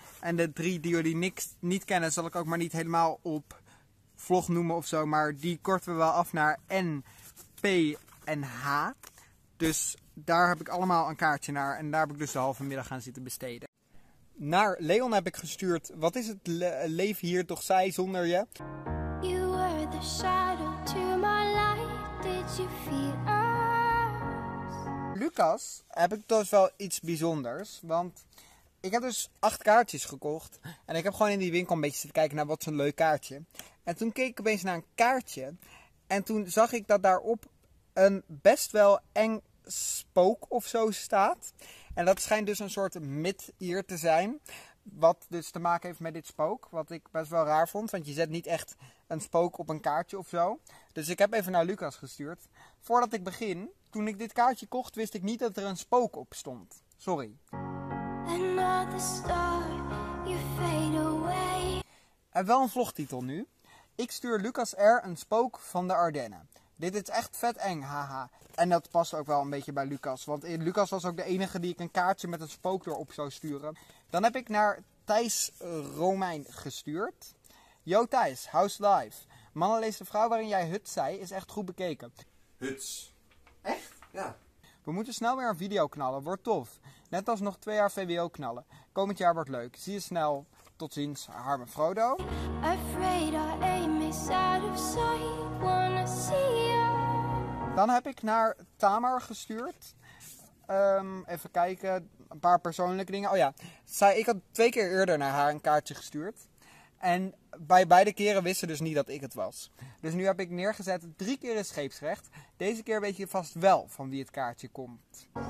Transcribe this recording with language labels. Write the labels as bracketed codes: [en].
[nl] En de 3 die jullie niet kennen zal ik ook maar niet helemaal op vlog noemen of zo, maar die korten we wel af naar N, P en H. Dus daar heb ik allemaal een kaartje naar en daar heb ik dus de halve middag aan zitten besteden. Naar Leon heb ik gestuurd, wat is het leven hier toch saai zonder je? [en] You were the shadow to my light, did you feel us? [nl] Lucas heb ik dus wel iets bijzonders, want ik heb dus 8 kaartjes gekocht. En ik heb gewoon in die winkel een beetje zitten kijken naar wat zo'n leuk kaartje. En toen keek ik opeens naar een kaartje en toen zag ik dat daarop een best wel eng spook of zo staat. En dat schijnt dus een soort mid-ear te zijn. Wat dus te maken heeft met dit spook. Wat ik best wel raar vond. Want je zet niet echt een spook op een kaartje of zo. Dus ik heb even naar Lucas gestuurd. Voordat ik begin, toen ik dit kaartje kocht, wist ik niet dat er een spook op stond. Sorry. [en] Another star, you fade away. [nl] En wel een vlogtitel nu. Ik stuur Lucas R. een spook van de Ardennen. Dit is echt vet eng, haha. En dat past ook wel een beetje bij Lucas. Want Lucas was ook de enige die ik een kaartje met een spook erop zou sturen. Dan heb ik naar Thijs Romein gestuurd. [en] Yo Thijs, how's life? [nl] Mannen lees de vrouw waarin jij huts zei, is echt goed bekeken. Huts. Echt? Ja. We moeten snel weer een video knallen, wordt tof. Net als nog 2 jaar VWO knallen. Komend jaar wordt leuk. Zie je snel. Tot ziens, Harm en Frodo. [en] Afraid I aim is out of sight, wanna see you. [nl] Dan heb ik naar Tamar gestuurd. Even kijken, een paar persoonlijke dingen. Oh ja, zij, ik had 2 keer eerder naar haar een kaartje gestuurd. En bij beide keren wist ze dus niet dat ik het was. Dus nu heb ik neergezet 3 keer in scheepsrecht. Deze keer weet je vast wel van wie het kaartje komt.